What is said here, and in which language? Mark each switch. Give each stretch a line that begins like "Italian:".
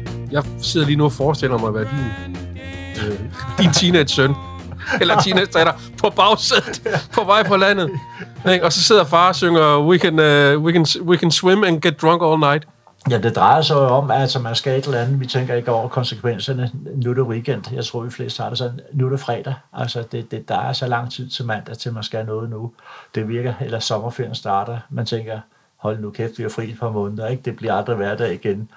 Danish: Jeg sidder lige nu og forestiller mig, hvad din teenage søn, eller teenage datter, på bagsædet, på vej på landet. Og så sidder far og synger,
English: we can swim and get drunk all night.
Danish: Ja, det drejer sig jo om, at altså, man skal et eller andet. Vi tænker ikke over konsekvenserne. Nu er det weekend. Jeg tror, vi fleste har det sådan. Nu er det fredag. Altså, der er så lang tid til mandag, til man skal noget nu. Det virker, eller sommerferien starter. Man tænker, hold nu kæft, vi er fri et par måneder, ikke? Det bliver aldrig hverdag igen.